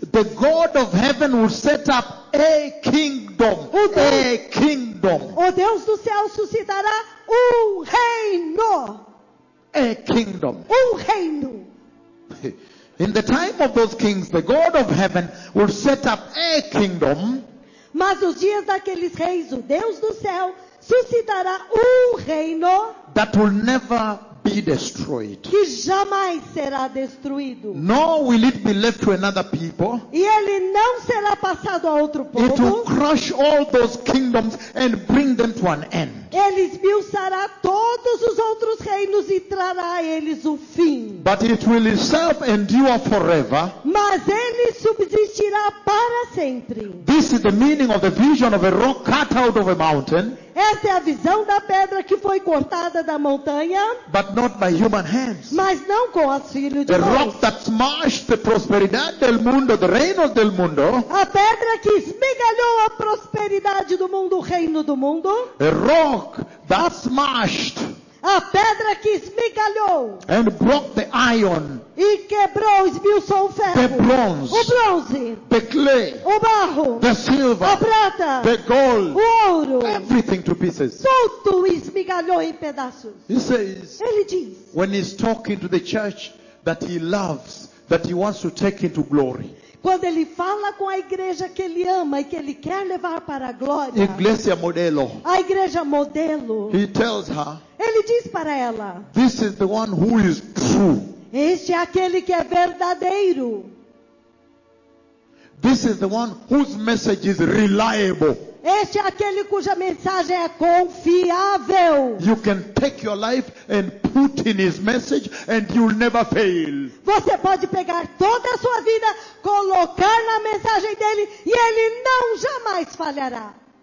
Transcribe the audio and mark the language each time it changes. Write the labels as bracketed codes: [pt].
[en] The God of heaven will set up a kingdom [pt] O Deus do céu suscitará um reino [en] In the time of those kings the God of heaven will set up a kingdom [pt] Mas nos dias daqueles reis, o Deus do céu suscitará um reino [en] that will never be destroyed. [pt] Que jamais será destruído. [en] Nor will it be left to another people. [pt] E ele não será passado a outro povo. [en] It will crush all those kingdoms and bring them to an end. [pt] Ele esmiuçará todos os outros reinos e trará a eles o fim. [en] But it will itself endure forever. [pt] Mas ele subsistirá para sempre. [en] This is the meaning of the vision of a rock cut out of a mountain. [pt] Essa é a visão da pedra que foi cortada da montanha. [en] But not by human hands. [pt] Mas não com as filhas de [en] the [pt] mãos. [en] Rock that smashed the [es] prosperidad del mundo, the reino del mundo. [pt] A pedra que esmigalhou a prosperidade do mundo, o reino do mundo. [en] A rock that smashed. [pt] A pedra que esmigalhou. [en] And broke the iron. [pt] E quebrou, esmiuçou o ferro. [en] The bronze. [pt] O bronze. [en] The clay. [pt] O barro. [en] The silver. [pt] A prata. [en] The gold. [pt] O ouro. [en] Everything to pieces. [pt] Tudo esmigalhou em pedaços. [en] He says, [pt] Ele diz. [en] When he's talking to the church that he loves, that he wants to take into glory. [pt] Quando ele fala com a igreja que ele ama e que ele quer levar para a glória. Igreja modelo. A igreja modelo. [en] He tells her. [pt] Ele diz para ela. [en] This is the one who is true. [pt] Este é aquele que é verdadeiro. [en] This is the one whose message is reliable. [pt] Este é aquele cuja mensagem é confiável. [en] You can take your life and put in his message and you'll never fail. [pt] Você pode pegar toda a sua vida, colocar na mensagem dele e ele não jamais falhará.